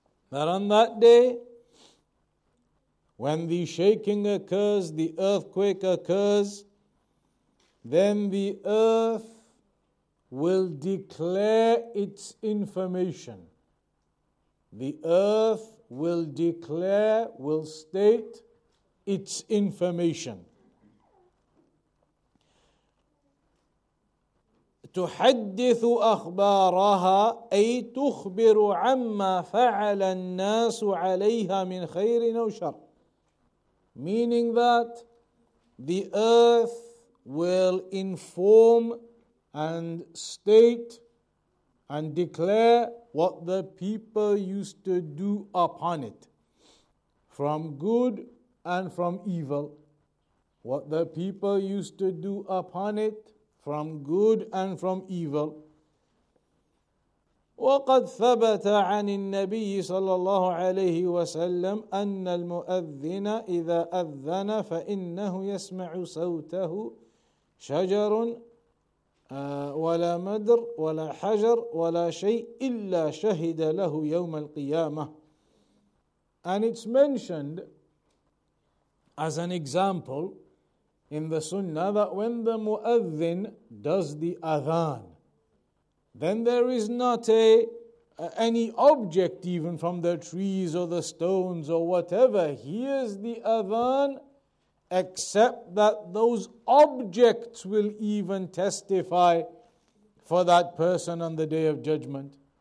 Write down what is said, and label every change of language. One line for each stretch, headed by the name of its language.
English: That on that day, when the shaking occurs, the earthquake occurs, then the earth will declare its information. The earth will declare, will state its information.
Arabic: تحدث أخبارها أي تخبر عما فعل الناس عليها من خير أو شر.
English: Meaning that the earth will inform and state and declare what the people used to do upon it, from good and from evil. What the people used to do upon it, from good and from evil.
Arabic: وَقَدْ ثَبَتَ عَنِ النَّبِيِّ صَلَّى اللَّهُ عَلَيْهِ وَسَلَّمَ أَنَّ الْمُؤَذِّنَ إِذَا أَذَّنَ فَإِنَّهُ يَسْمَعُ صَوْتَهُ شَجَرٌ ولا مدر ولا حجر ولا شيء إلا شهد له يوم القيامة.
English: And it's mentioned as an example in the Sunnah that when the Mu'adhin does the Adhan, then there is not any object even from the trees or the stones or whatever hears the Adhan, except that those objects will even testify for that person on the Day of Judgment.